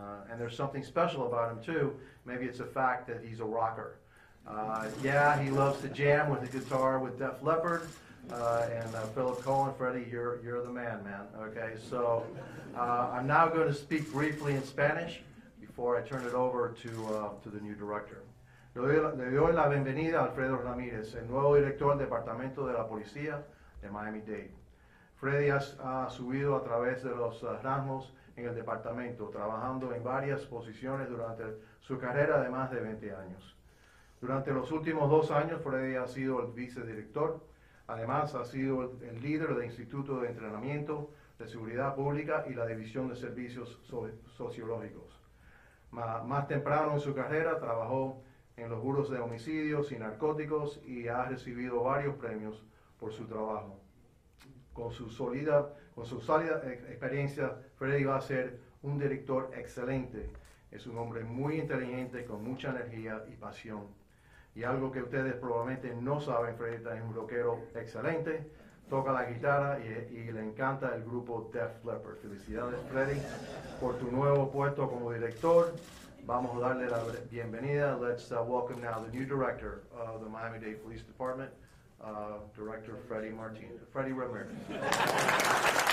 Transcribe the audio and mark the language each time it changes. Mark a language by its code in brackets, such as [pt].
[en] And there's something special about him too. Maybe it's a fact that he's a rocker. Yeah, he loves to jam with a guitar with Def Leppard and Philip Cohen. Freddie, you're the man. Okay, so I'm now going to speak briefly in Spanish before I turn it over to the new director. [es] Le doy la bienvenida a Alfredo Ramírez, el nuevo director del Departamento de la Policía de Miami-Dade. Freddy ha subido a través de los rangos en el departamento, trabajando en varias posiciones durante su carrera de más de 20 años. Durante los últimos 2 años, Freddy ha sido el vicedirector. Además, ha sido el líder del Instituto de Entrenamiento de Seguridad Pública y la División de Servicios Sociológicos. Más temprano en su carrera, trabajó en los buros de homicidios y narcóticos y ha recibido varios premios por su trabajo. Con su sólida experiencia, Freddy va a ser un director excelente. Es un hombre muy inteligente, con mucha energía y pasión. Y algo que ustedes probablemente no saben, Freddy es un rockero excelente, toca la guitarra y le encanta el grupo Def Leppard. Felicidades, Freddy, por tu nuevo puesto como director. Vamos a darle la bienvenida. [en] Let's welcome now the new director of the Miami-Dade Police Department, Director Freddy Martinez, Freddy Ramirez.